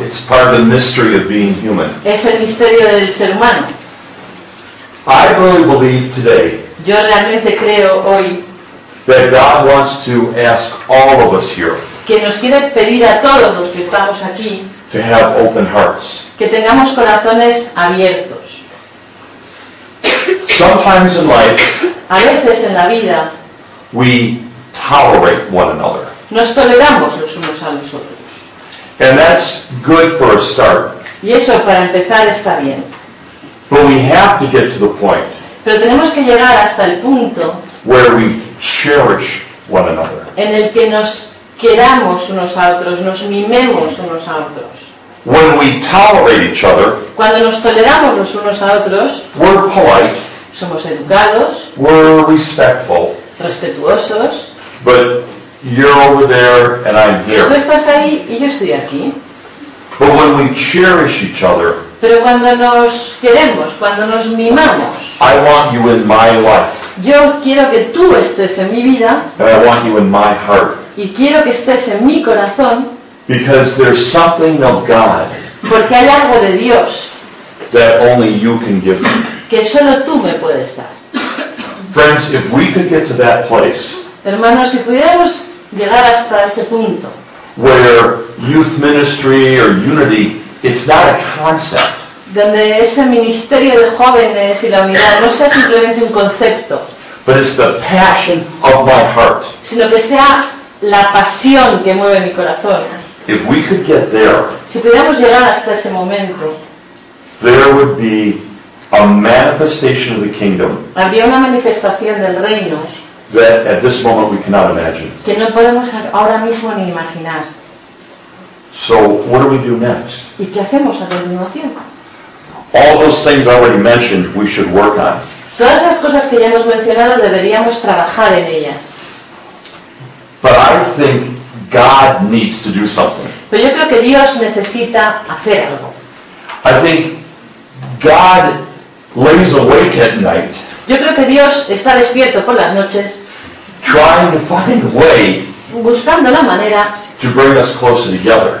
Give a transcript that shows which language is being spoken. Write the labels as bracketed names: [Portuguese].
[English] It's part of the mystery of being human. [Spanish] Es el misterio del ser humano. [English] I really believe today. [Spanish] Yo realmente creo hoy. [English] That God wants to ask all of us here. [Spanish] Que nos quiere pedir a todos los que estamos aquí. [English] To have open hearts. [Spanish] Que tengamos corazones abiertos. [English] Sometimes in life. [Spanish] A veces en la vida. [English] We tolerate one another. [Spanish] Nos toleramos los unos a los otros. [English] And that's good for a start. [Spanish] Y eso para empezar está bien. [English] But we have to get to the point. [Spanish] Pero tenemos que llegar hasta el punto. [English] Where we cherish one another. [Spanish] En el que nos queramos unos a otros, nos mimemos unos a otros. [English] When we tolerate each other. [Spanish] Cuando nos toleramos los unos a otros. [English] We're polite. [Spanish] Somos educados. [English] We're respectful. [Spanish] Respetuosos. [English] But you're over there and I'm here. [Spanish] Tú estás ahí y yo estoy aquí. [English] But when we cherish each other. [Spanish] Pero cuando nos queremos, cuando nos mimamos. [English] I want you in my life. [Spanish] Yo quiero que tú estés en mi vida. [English] And I want you in my heart. [Spanish] Y quiero que estés en mi corazón. [English] Because there's something of God. [Spanish] Porque hay algo de Dios. [English] That only you can give me. [Spanish] Que solo tú me puedes dar. [English] Friends, if we could get to that place. [Spanish] Hermanos, si pudiéramos llegar hasta ese punto. [English] Where youth ministry or unity, it's not a concept. [Spanish] Donde ese ministerio de jóvenes y la unidad no sea simplemente un concepto. [English] But it's the passion of my heart. [Spanish] Sino que sea la pasión que mueve mi corazón. [English] If we could get there. [Spanish] Si pudiéramos llegar hasta ese momento. [English] There would be a manifestation of the kingdom. [Spanish] Habría una manifestación del reino. [English] That at this moment we cannot imagine. [Spanish] Que no podemos ahora mismo ni imaginar. [English] So what do we do next? [Spanish] ¿Y qué hacemos a continuación? [English] All those things already mentioned, we should work on. [Spanish] Todas esas cosas que ya hemos mencionado deberíamos trabajar en ellas. [English] But I think God needs to do something. [Spanish] Pero yo creo que Dios necesita hacer algo. [English] I think God lays awake at night. [Spanish] Yo creo que Dios está despierto por las noches. [English] Trying to find a way. [Spanish] Buscando la manera. [English] To bring us closer together.